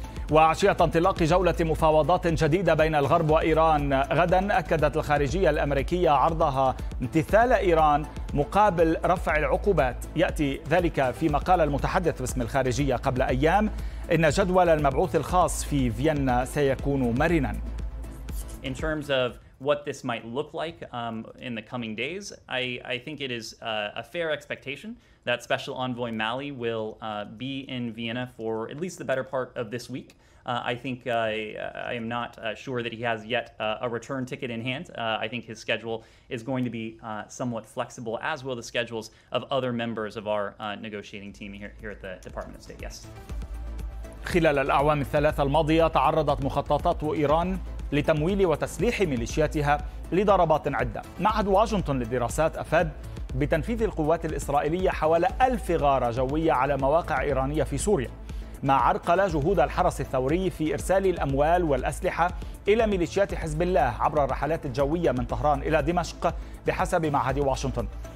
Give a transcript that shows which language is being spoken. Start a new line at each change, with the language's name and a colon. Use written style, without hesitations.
Arabic: وعشية انطلاق جولة مفاوضات جديدة بين الغرب وإيران غدا، أكدت الخارجية الأمريكية عرضها امتثال إيران مقابل رفع العقوبات. يأتي ذلك فيما قال المتحدث باسم الخارجية قبل أيام إن جدول المبعوث الخاص في فيينا سيكون مرنا.
English: What this might look like in the coming days, I think it is a fair expectation that Special Envoy Malley will be in Vienna for at least the better part of this week. I am not sure that he has yet a return ticket in hand. I think his schedule is going to be somewhat flexible, as will the schedules of other members of our negotiating team here at the Department of State. Yes.
Arabic: خلال الأعوام الثلاثة الماضية تعرضت مخططات إيران لتمويل وتسليح ميليشياتها لضربات عدة. معهد واشنطن للدراسات أفاد بتنفيذ القوات الإسرائيلية حوالي 1000 غارة جوية على مواقع إيرانية في سوريا، ما عرقل جهود الحرس الثوري في إرسال الأموال والأسلحة إلى ميليشيات حزب الله عبر الرحلات الجوية من طهران إلى دمشق بحسب معهد واشنطن.